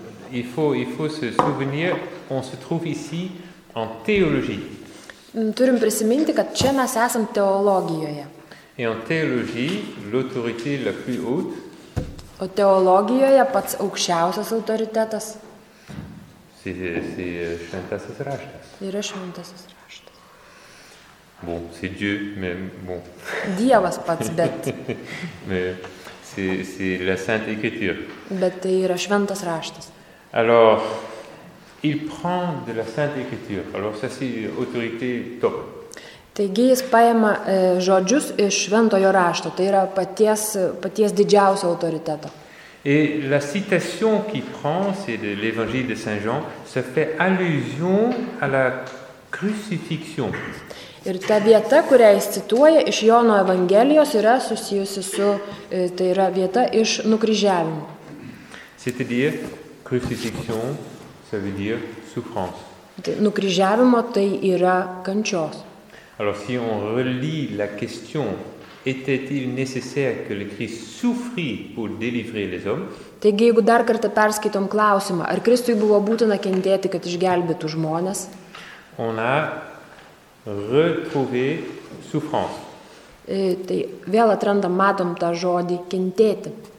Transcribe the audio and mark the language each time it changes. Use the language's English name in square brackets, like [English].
[French] Il faut se souvenir qu'on se trouve ici en théologie. [Lithuanian] Turim prisiminti, kad čia mes esam teologijoje. [French] Et en théologie, l'autorité la plus haute. [Lithuanian] O teologijoje pats aukščiausias autoritetas. [French] C'est šventasis raštas. [Lithuanian] Yra šventasis raštas. [French] Bon, c'est Dieu, mais bon. [Lithuanian] Dievas pats, bet. [French] Mais c'est la sainte écriture. [Lithuanian] Bet tai yra šventas raštas. [French] Alors, il prend de la sainte écriture. Alors ça c'est autorité top. [Lithuanian] Taigi jis paima žodžius iš šventojo rašto, tai yra paties didžiausio autoriteto. [French] Et la citation qu'il prend, c'est de l'évangile de Saint Jean, se fait allusion à la crucifixion. [Lithuanian] Ir ta vieta, kurią jis cituoja iš Jono evangelijos, yra susijusi su, tai yra vieta iš nukryžiavimo. [French] C'est-à-dire, crucifixion, ça veut dire souffrance. [Lithuanian] Nukryžiavimo tai yra kančios. [French] Alors si on relit la question, était-il nécessaire que le Christ souffrit pour délivrer les hommes? [Lithuanian] Taigi, jeigu dar kartą perskaitom klausimą, ar Kristui buvo būtina kentėti, kad išgelbėtų žmonės? [French] On a retrouvé souffrance. [Lithuanian] Tai vėl atrandam, matom tą žodį kentėti.